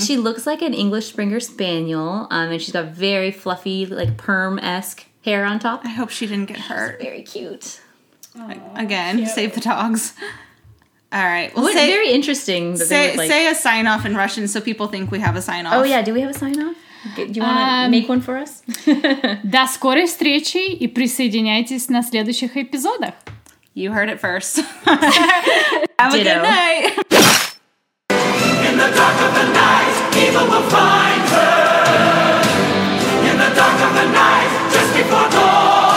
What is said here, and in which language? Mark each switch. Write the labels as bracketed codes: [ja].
[en] She looks like an English Springer Spaniel, and she's got very fluffy, like perm-esque hair on top. I hope she didn't get hurt. She's very cute. Aww, again, cute. Save the dogs. All right. Well, it's very interesting. Say a sign off in Russian so people think we have a sign off. Oh, yeah. Do we have a sign off? Do you want to make one for us? [ru] До скорой встречи и присоединяйтесь на следующих эпизодах. [en] You heard it first. Have Ditto. A good night. In the dark of the night, evil will find her. In the dark of the night, just before dawn.